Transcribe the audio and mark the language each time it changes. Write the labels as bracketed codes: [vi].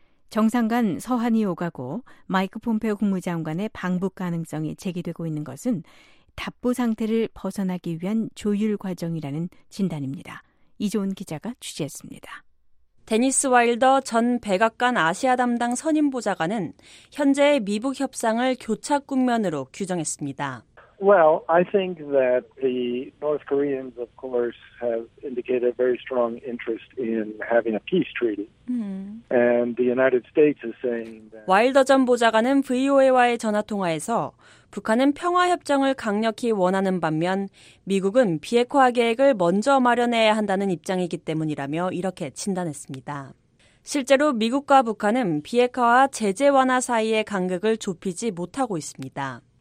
[ko] 정상 간 서한이 오가고 마이크 폼페오 국무장관의 방북 가능성이 제기되고 있는 것은 답보 상태를 벗어나기 위한 조율 과정이라는 진단입니다. 이조은 기자가 취재했습니다. 데니스 와일더 전 백악관 아시아 담당 선임보좌관은 현재의 미북 협상을 교착 국면으로 규정했습니다. [en] Well, I think that the North Koreans, of course, have indicated a very strong interest in having a peace treaty. And the United States is saying that. [ko] 와일더 전 보좌관은 VOA와의 전화 통화에서 북한은 평화 협정을 강력히 원하는 반면 미국은 비핵화 계획을 먼저 마련해야 한다는 입장이기 때문이라며 이렇게 진단했습니다. 실제로 미국과 북한은 비핵화와 제재 완화 사이의 간극을 좁히지 못하고 있습니다.